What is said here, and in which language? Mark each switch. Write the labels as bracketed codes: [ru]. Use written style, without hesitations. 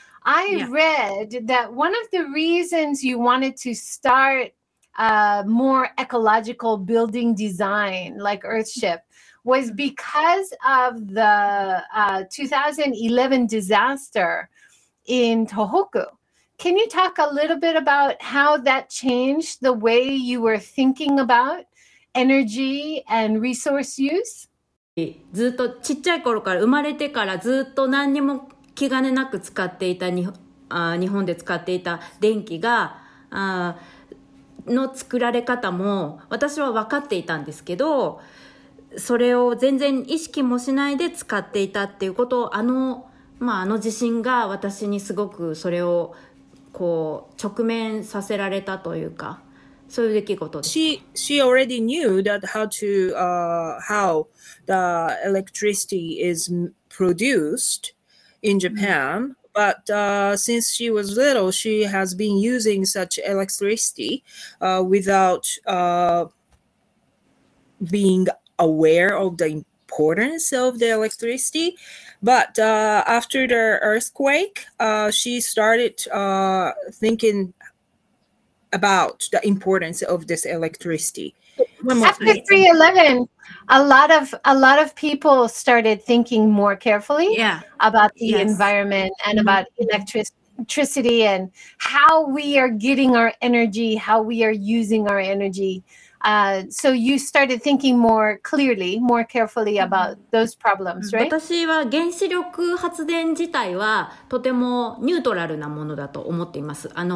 [en] I read that one of the reasons you wanted to start a more ecological building design like Earthship was because of the 2011 disaster in Tohoku. Can you talk a little bit about how that changed the way you were thinking about energy and resource use? [ja] ずっとちっちゃい頃から生まれてからずっと何にも気兼ねなく使っていた日本で使っていた電気がの作られ方も私は分かっていたんですけど、それを全然意識もしないで使っていたっていうことを、あの地震が私にすごくそれをこう直面させられたというか、そういう出来事です。 [en] She already knew that how the electricity is produced in Japan, but since she was little, she has been using such electricity without being aware of the importance of the electricity. But after the earthquake, she started thinking about the importance of this electricity. After 3/11, a lot of people started thinking more carefully about the environment and about electricity and how we are getting our energy, how we are using our energy. So you started thinking more clearly, more carefully about those problems, right? [ja] 私は原子力発電自体はとてもニュートラルなものだと思っています。